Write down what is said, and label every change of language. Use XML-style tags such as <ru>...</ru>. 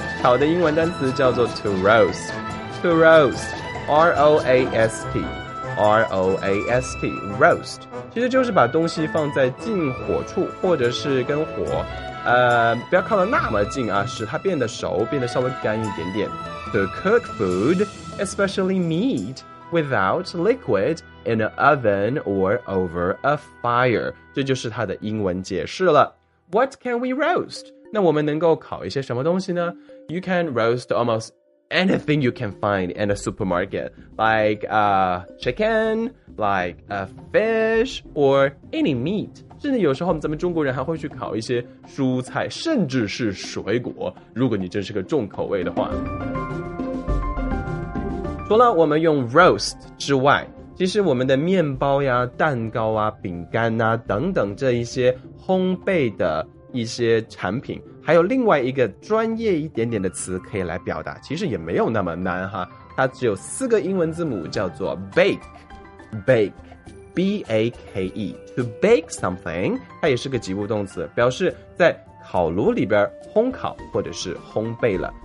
<zh>烤的英文单词叫做 to roast， to roast， R O A S T， R O A S T， roast， 其实就是把东西放在近火处，或者是跟火不要靠得那么近啊，使它变得熟，变得稍微干一点点。</zh> <en>To cook food, especially meat, without liquid in an oven or over a fire.</en> <zh>这就是它的英文解释了。</zh> <en>What can we roast?</en> <zh>那我们能够烤一些什么东西呢？</zh> <en>You can roast almost anything you can find in a supermarket, like a chicken, like a fish, or any meat.</en> <zh>甚至有时候咱们中国人还会去烤一些蔬菜，甚至是水果，如果你真是个重口味的话。除了我们用 roast 之外，其实我们的面包呀、蛋糕啊、饼干啊等等这一些烘焙的一些产品，还有另外一个专业一点点的词可以来表达，其实也没有那么难哈，它只有四个英文字母，叫做 bake， bakeB-A-K-E,</zh> <en>to bake something,</en> <zh>它也是个及物动词，表示在烤炉里边烘烤或者是烘焙了。</zh>